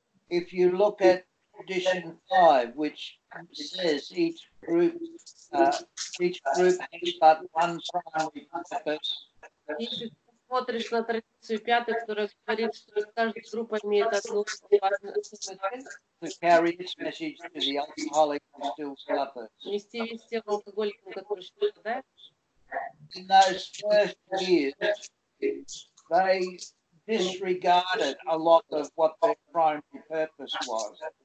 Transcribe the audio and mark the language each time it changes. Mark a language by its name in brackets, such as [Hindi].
[English] If you look at Tradition 5, which says each group has but one primary purpose. [Russian] Если ты смотришь на традицию пятую, которая говорит, что каждая группа имеет одну важную цель, [English] to carry its message to the alcoholic who still suffers. [Russian] Нести весть тем алкоголикам, которые страдают. [English] In those first years, they disregarded a lot of what their primary purpose was.